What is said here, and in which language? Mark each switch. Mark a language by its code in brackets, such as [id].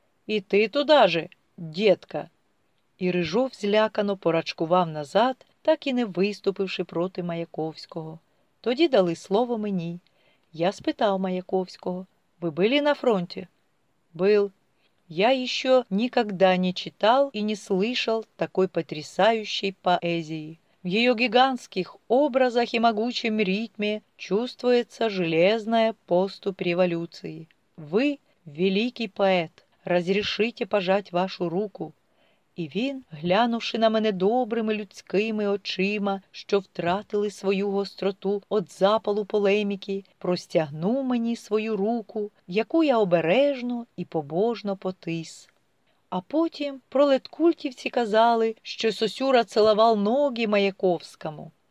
[uk] «І ти туди же, дітка!» І Рижов злякано порачкував назад, так і не виступивши проти Маяковського. Тоді дали слово мені. Я спитав Маяковського: «Ви були на фронті?» [ru] «Был». [uk] «Я ще ніколи не читав і не [ru] слышал такой потрясающей поэзии. В ее гигантских образах и могучем ритме чувствуется железная поступь революции. Вы, великий поэт, разрешите пожать вашу руку». [uk] І він, глянувши на мене добрими людськими очима, що втратили свою гостроту від запалу полеміки, простягнув мені свою руку, яку я обережно і побожно потис. А потім пролеткультівці казали, що Сосюра цілував ноги Маяковському.